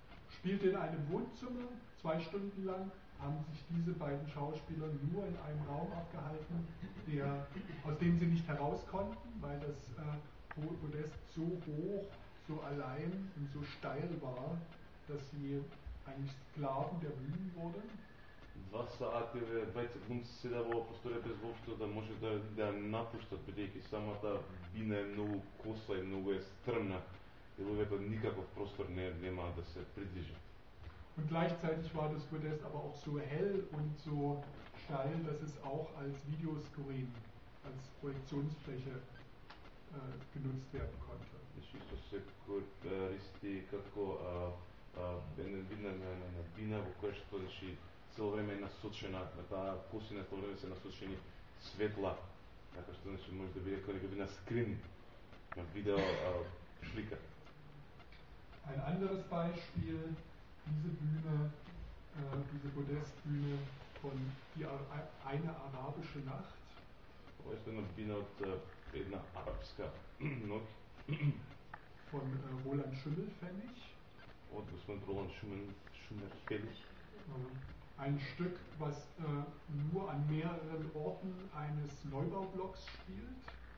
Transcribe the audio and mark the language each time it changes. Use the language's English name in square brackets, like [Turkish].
[German] Spielte in einem Wohnzimmer, 2 Stunden lang haben sich diese beiden Schauspieler nur in einem Raum abgehalten, aus dem sie nicht heraus konnten, weil das Podest so hoch, so allein und so steil war, dass sie eigentlich Sklaven der Bühne wurden. [Macedonian] 2 сати, 20 глумци седа во просторија без воопшто да може да напуштат, бидејќи самата бина е многу косла и многу е стрмна. И луѓето никаков простор нема да се придвижат. [German] Und gleichzeitig war das Podest aber auch so hell und so steil, dass es auch als Videoscreen, als Projektionsfläche genutzt werden konnte. [Macedonian] Исто се користи како бина на бина во која што значи цело време е насочена, на таа косина цело време се насочени светла, така што значи може да биде како на скрин, на видео шлика. [German] Ein anderes Beispiel, diese Bühne, diese Podestbühne von die eine arabische Nacht. [Macedonian] Ова е една бина од една арапска ноќ. [German] Von Roland Schimmelpfennig. [Macedonian] Од господин Roland Schimmelpfennig. [German] Ein Stück, was nur an mehreren Orten eines Neubaublocks spielt.